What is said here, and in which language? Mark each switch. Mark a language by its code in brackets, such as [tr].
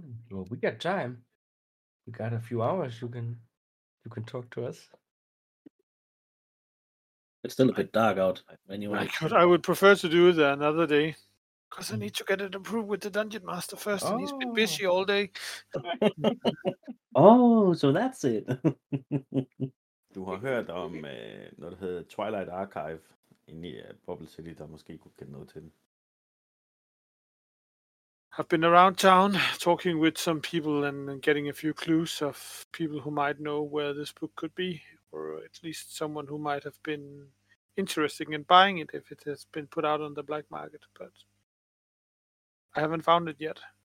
[en] Well, we got time. We got a few hours. You can talk to us. It's still a bit dark out anyway. I would prefer to do that another day. Because I need to get it approved with the Dungeon Master first, and he's been busy all day. Oh, so that's it. [da] Du har hørt om noget, der hedder Twilight Archive, inde i Bubble City, der måske kunne kende noget til den. [en] I've been around town, talking with some people, and getting a few clues of people who might know where this book could be, or at least someone who might have been interested in buying it if it has been put out on the black market, but I haven't found it yet.